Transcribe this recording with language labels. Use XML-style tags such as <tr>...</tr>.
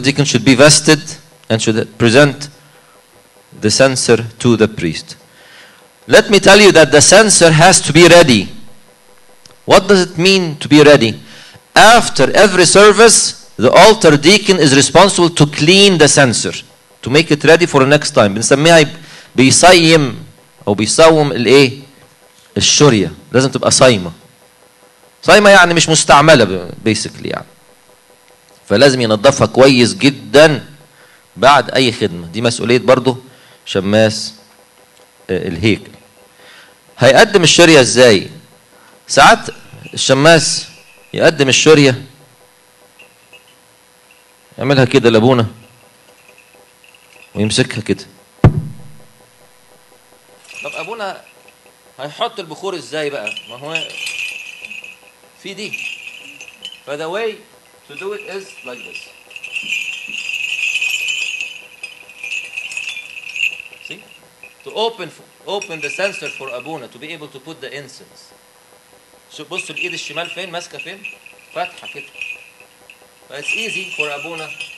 <en>The deacon should be vested and should present the censer to the priest. Let me tell you that the censer has to be ready. What does it mean to be ready? After every service, the altar deacon is responsible to clean the censer, to make it ready for the next time.</en> <ar>بنسميها بيصيم أو بيصوم الإيه؟ الشرية. لازم تبقى صايمة. صايمة يعني مش مستعملة basically يعني. فلازم ينظفها كويس جدا بعد أي خدمة. دي مسؤولية برضو شماس الهيكل. هيقدم الشرية إزاي؟ ساعات الشماس يقدم الشرية يعملها كده لابونة ويمسكها كده. طب أبونا هيحط البخور إزاي بقى؟ ما هو في دي.</ar> <en>فذا way to do it is like this. See? To open the censer for Abuna to be able to put the incense.</en> <ar>So بصوا الإيد الشمال فين؟ ماسكة فين؟ فتحة كده.</ar> <en>It's easy for Abuna.</en>